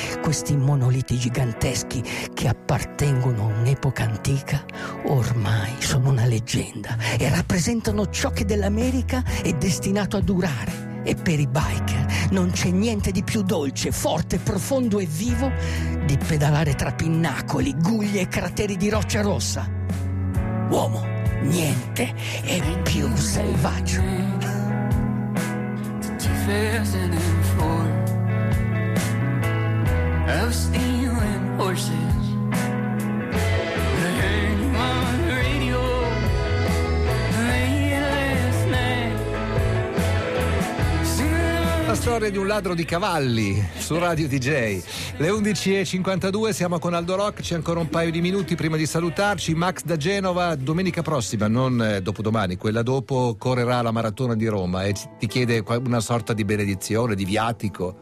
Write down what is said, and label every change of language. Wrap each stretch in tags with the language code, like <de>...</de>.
<it>Questi monoliti giganteschi che appartengono a un'epoca antica ormai sono una leggenda e rappresentano ciò che dell'America è destinato a durare. E per i biker non c'è niente di più dolce, forte, profondo e vivo di pedalare tra pinnacoli, guglie e crateri di roccia rossa. Uomo, niente è più selvaggio.</it> <en>Fascinating for of steel and horses. They heard you on the radio late last night.</en> <it>La storia di un ladro di cavalli su Radio DJ. Le 11:52, siamo con Aldo Rock, c'è ancora un paio di minuti prima di salutarci. Max da Genova, domenica prossima, non dopodomani, quella dopo, correrà la maratona di Roma e ti chiede una sorta di benedizione, di viatico.</it>